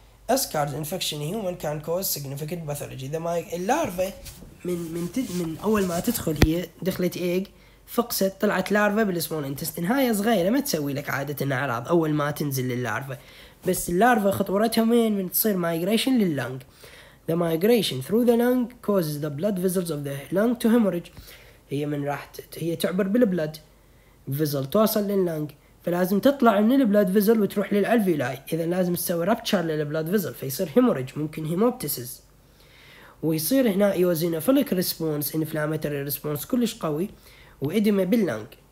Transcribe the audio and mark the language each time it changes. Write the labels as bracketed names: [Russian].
[Arabic] اسكارز انفكشن هيومن كان كوز سيجنيفيكنت باثولوجي، اذا ما اللارفا من اول ما تدخل هي دخلت ايج فقست طلعت لارفا بالسمول انتستين، هاي صغيره ما تسوي لك عاده اعراض اول ما تنزل للارفا، بس اللارفا خطورتها وين؟ من تصير migration لللانج. [English] The migration through the lung causes the blood vessels of the lung to hemorrhage. [Arabic] هي من راح هي تعبر بالبلد vessel توصل لللانج، فلازم تطلع من البلد vessel وتروح للالفيلاي. إذا لازم تسوي rupture للبلد vessel فيصير hemorrhage، ممكن hemoptysis، ويصير هنا eosinophilic response inflammatory response كلش قوي وإدمة باللانج.